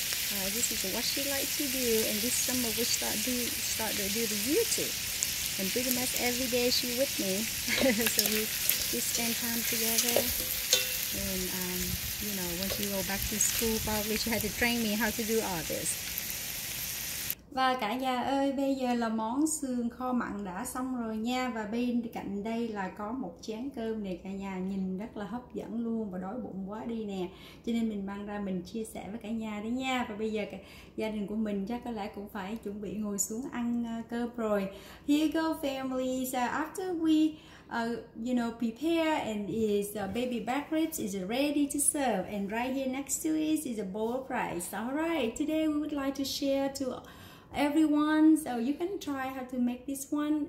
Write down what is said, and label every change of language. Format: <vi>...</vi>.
<en>This is what she likes to do, and this summer we start to do the YouTube. And pretty much every day she with me, so we spend time together. And you know, when she go back to school, probably she had to train me how to do all this.</en> <vi>Và cả nhà ơi, bây giờ là món xương kho mặn đã xong rồi nha. Và bên cạnh đây là có một chén cơm này, cả nhà nhìn rất là hấp dẫn luôn và đói bụng quá đi nè. Cho nên mình mang ra mình chia sẻ với cả nhà đấy nha. Và bây giờ gia đình của mình chắc có lẽ cũng phải chuẩn bị ngồi xuống ăn cơm rồi.</vi> <en>Here you go family, so after we you know, prepare and is baby back ribs is ready to serve. And right here next to it is a bowl of rice. Alright, today we would like to share to everyone, so you can try how to make this one.</en>